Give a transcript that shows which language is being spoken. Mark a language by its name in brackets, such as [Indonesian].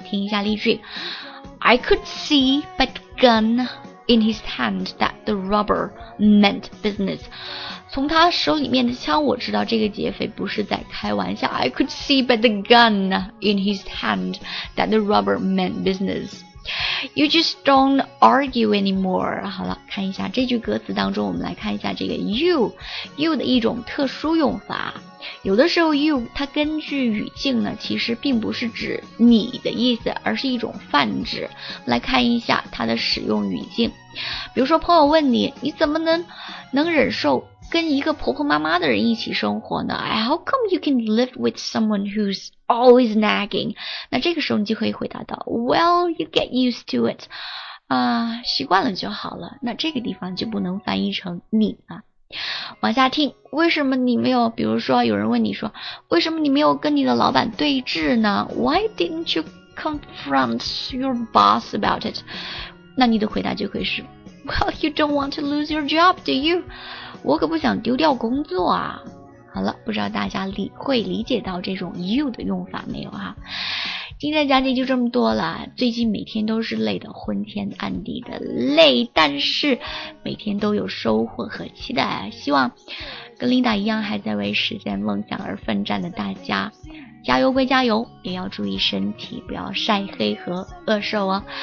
[Chinese] 听一下例句 [English] I could see by the gun in his hand that the robber meant business. [Chinese] 从他手里面的枪，我知道这个劫匪不是在开玩笑。 [English] I could see by the gun in his hand that the robber meant business. You just don't argue anymore. [Chinese] 好了，看一下这句歌词当中，我们来看一下这个 you 的一种特殊用法。有的时候 you 它根据语境呢，其实并不是指你的意思，而是一种泛指。来看一下它的使用语境。比如说朋友问你，你怎么能忍受跟一个婆婆妈妈的人一起生活呢？ [English] How come you can live with someone who's always nagging? [Chinese] 那这个时候你就可以回答到 [English] Well, you get used to it. [Chinese] 习惯了就好了。那这个地方就不能翻译成你了。往下听，为什么你没有，比如说有人问你说，为什么你没有跟你的老板对峙呢？ [English] Why didn't you confront your boss about it? [Chinese] 那你的回答就会是 [English] Well, you don't want to lose your job, do you? [Chinese] 我可不想丢掉工作啊。好了，不知道大家理解到这种 you 的用法没有哈？今天的讲解就这么多了，最近每天都是累得昏天暗地的累，但是每天都有收获和期待，希望跟 Linda 一样还在为实现梦想而奋战的大家加油归加油，也要注意身体，不要晒黑和饿瘦哦。